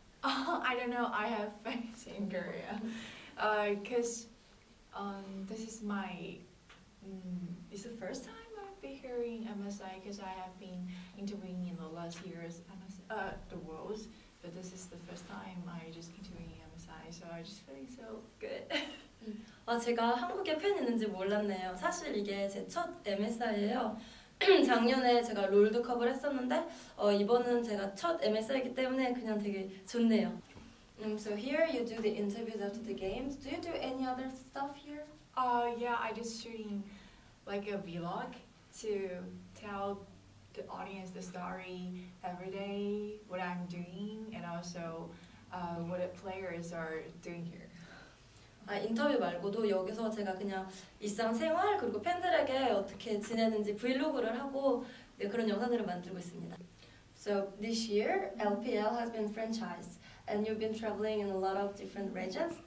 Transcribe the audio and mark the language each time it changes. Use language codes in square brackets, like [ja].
[en] Oh, I don't know, I have fans in Korea. Because this is my, it's the first time I've been here in MSI, because I have been interviewing in the last years the world, but this is the first time I just interviewing in MSI, so I'm just feeling so good. [ko] 아, 제가 한국에 팬 있는지 몰랐네요. 사실 이게 제 첫 MSI예요. 작년에 제가 롤드컵을 했었는데 이번은 제가 첫 MSI이기 때문에 그냥 되게 좋네요. [en] So here you do the interviews after the games. Do you do any other stuff here? Yeah, I just shooting like a vlog to tell the audience the story every day, what I'm doing, and also what the players are doing here. [ko] 아, 인터뷰 말고도 여기서 제가 그냥 일상생활 그리고 팬들에게 어떻게 지내는지 브이로그를 하고 네, 그런 영상들을 만들고 있습니다. [en] So this year LPL has been franchised and you've been traveling in a lot of different regions.